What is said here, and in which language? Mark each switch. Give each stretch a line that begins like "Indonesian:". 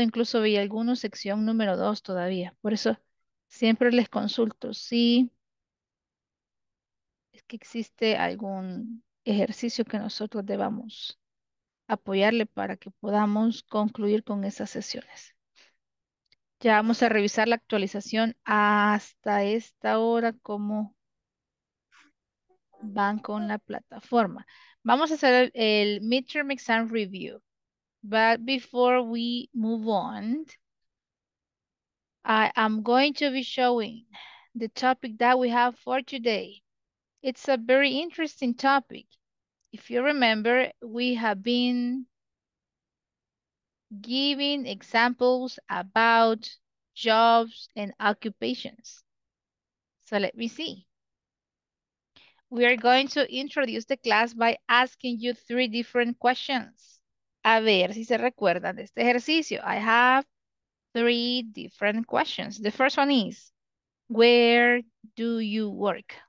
Spanish: Incluso vi algunos sección número 2 todavía. Por eso siempre les consulto si es que existe algún ejercicio que nosotros debamos apoyarle para que podamos concluir con esas sesiones. Ya vamos a revisar la actualización hasta esta hora, cómo van con la plataforma. Vamos a hacer el midterm exam review.
English: But before we move on, I am going to be showing the topic that we have for today. It's a very interesting topic. If you remember, we have been giving examples about jobs and occupations. So let me see. We are going to introduce the class by asking you three different questions.
Spanish: A ver si se recuerdan de este ejercicio.
English: I have three different questions. The first one is, where do you work?